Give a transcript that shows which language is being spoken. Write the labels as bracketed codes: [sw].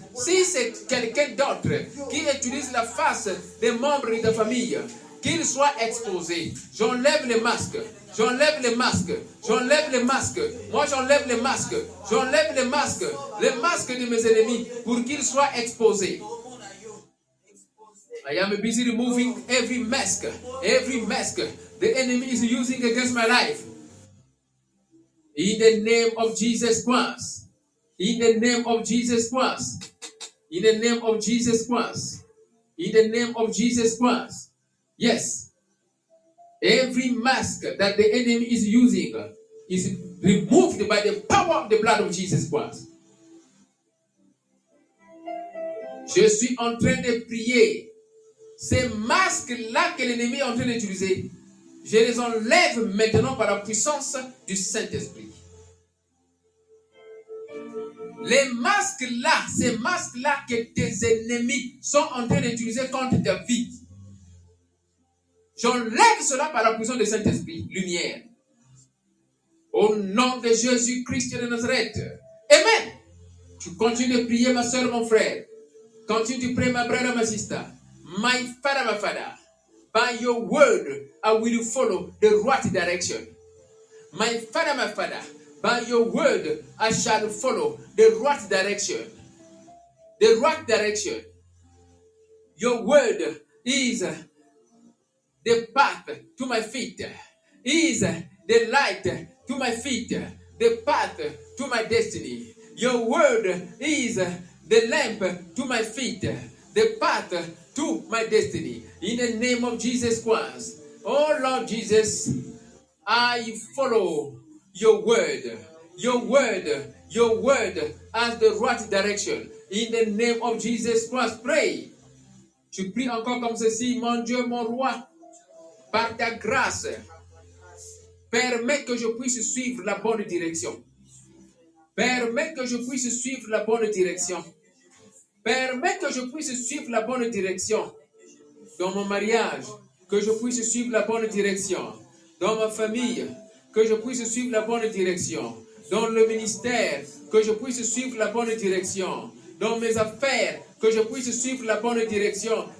[fr] Si c'est quelqu'un d'autre qui utilise la face des membres de famille, qu'il soit exposé. J'enlève les masques. J'enlève les masques. J'enlève les masques. Moi, j'enlève les masques. J'enlève les masques. Les masques de mes ennemis pour qu'ils soient exposés. [en] I am busy removing every mask. Every mask the enemy is using against my life. In the name of Jesus Christ. In the name of Jesus Christ. In the name of Jesus Christ. In the name of Jesus Christ. Yes, every mask that the enemy is using is removed by the power of the blood of Jesus Christ. [fr] Je suis en train de prier. Ces masques-là que l'ennemi est en train d'utiliser, je les enlève maintenant par la puissance du Saint-Esprit. Les masques-là, ces masques-là que tes ennemis sont en train d'utiliser contre ta vie, j'enlève cela par la puissance du Saint-Esprit, lumière. Au nom de Jésus-Christ de Nazareth. Amen. Tu continues de prier, ma soeur, mon frère. Continue de prier, ma [en] brother, ma sister. My father, my father. By your word, I will follow the right direction. My father, my father. By your word, I shall follow the right direction. The right direction. Your word is the path to my feet, is the light to my feet, the path to my destiny. Your word is the lamp to my feet, the path to my destiny. In the name of Jesus Christ, oh Lord Jesus, I follow your word, your word, your word as the right direction. In the name of Jesus Christ, pray. [fr] Tu pries encore comme ceci, mon Dieu, mon roi. Par ta grâce, permets que je puisse suivre la bonne direction. Permets que je puisse suivre la bonne direction. Permets que je puisse suivre la bonne direction dans mon mariage, que je puisse suivre la bonne direction dans ma famille, que je puisse suivre la bonne direction dans le ministère, que je puisse suivre la bonne direction dans mes affaires, que je puisse suivre la bonne direction.